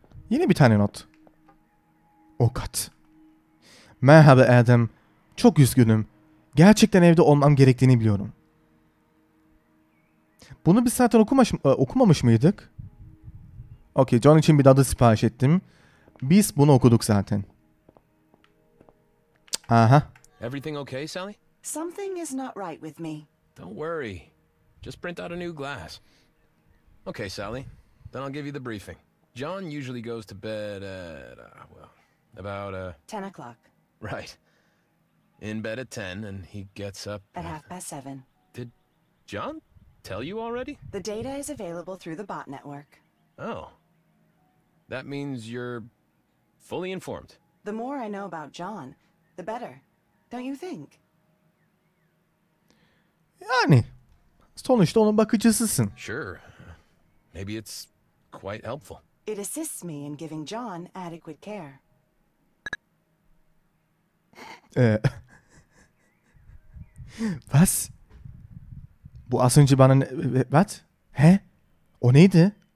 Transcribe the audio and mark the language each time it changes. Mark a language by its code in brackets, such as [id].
[tr] Yine bir tane not. Okat. Merhaba Adam. Çok üzgünüm. Gerçekten evde olmam gerektiğini biliyorum. Bunu biz zaten okumamış mıydık? Okey, John için bir dadı sipariş ettim. Biz bunu okuduk zaten. Uh-huh. [en] Everything okay, Sally? Something is not right with me. Don't worry. Just print out a new glass. Okay, Sally. Then I'll give you the briefing. John usually goes to bed at, about, 10 o'clock. Right. In bed at 10, and he gets up at half past 7. Did John tell you already? The data is available through the bot network. Oh. That means you're fully informed. The more I know about John, the better. Don't you think? [tr] Yani, sonuçta onun bakıcısısın. [en] Sure. Maybe it's quite helpful. It assists me in giving John adequate care. [tr] Was? Bu az önce bana ne... [en] What? [tr] He? O neydi?